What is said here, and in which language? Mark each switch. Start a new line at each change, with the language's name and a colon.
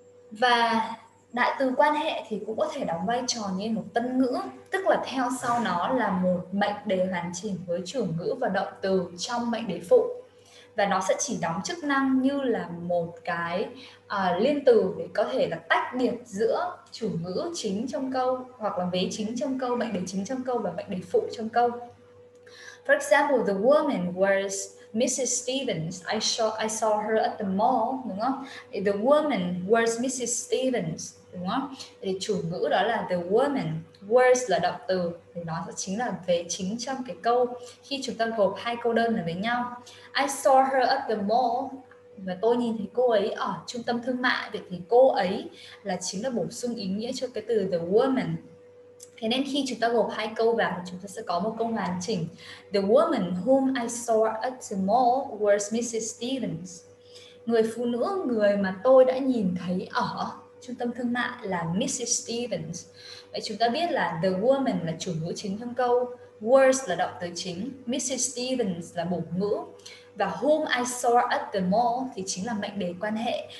Vietnamese: Và đại từ quan hệ thì cũng có thể đóng vai trò như một tân ngữ, tức là theo sau nó là một mệnh đề hoàn chỉnh với chủ ngữ và động từ trong mệnh đề phụ. Và nó sẽ chỉ đóng chức năng như là một cái liên từ để có thể là tách biệt giữa chủ ngữ chính trong câu, hoặc là vế chính trong câu, mệnh đề chính trong câu và mệnh đề phụ trong câu.
English: For example, the woman was Mrs. Stevens. I saw her at the mall, đúng không? The woman was Mrs. Stevens, đúng không?
Vietnamese: Thì chủ ngữ đó là the woman. Was là động từ, thì nó chính là vế chính trong cái câu khi chúng ta gộp hai câu đơn lại với nhau.
English: I saw her at the mall.
Vietnamese: Và tôi nhìn thấy cô ấy ở trung tâm thương mại. Vậy thì cô ấy là chính là bổ sung ý nghĩa cho cái từ the woman. Thế nên khi chúng ta gộp hai câu vào, chúng ta sẽ có một câu hoàn chỉnh.
English: The woman whom I saw at the mall was Mrs. Stevens.
Vietnamese: Người phụ nữ, người mà tôi đã nhìn thấy ở trung tâm thương mại là Mrs. Stevens. Vậy chúng ta biết là the woman là chủ ngữ chính trong câu, Words là động từ chính, Mrs. Stevens là biểu ngữ. Và
English: whom I saw at the mall
Vietnamese: thì chính là mệnh đề quan hệ.